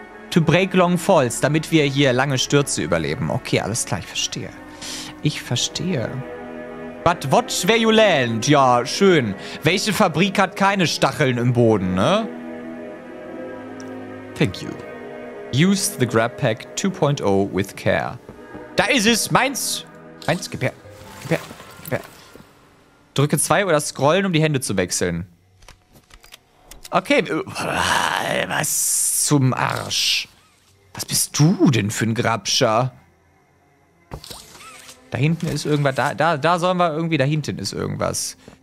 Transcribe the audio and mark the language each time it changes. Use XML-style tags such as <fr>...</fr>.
<en>To break long falls,</en> <de>damit wir hier lange Stürze überleben. Okay, alles klar, ich verstehe. Ich verstehe.</de> <en>But watch where you land.</en> <de>Ja, schön. Welche Fabrik hat keine Stacheln im Boden, ne?</de> <en>Thank you. Use the grab pack 2.0 with care.</en> <de>Da ist es, meins. Meins, gib her. Gib her. Gib her. Drücke 2 oder scrollen, um die Hände zu wechseln. Okay, was zum Arsch? Was bist du denn für ein Grabscher? Da hinten ist irgendwas, da sollen wir irgendwie, da hinten ist irgendwas.</de>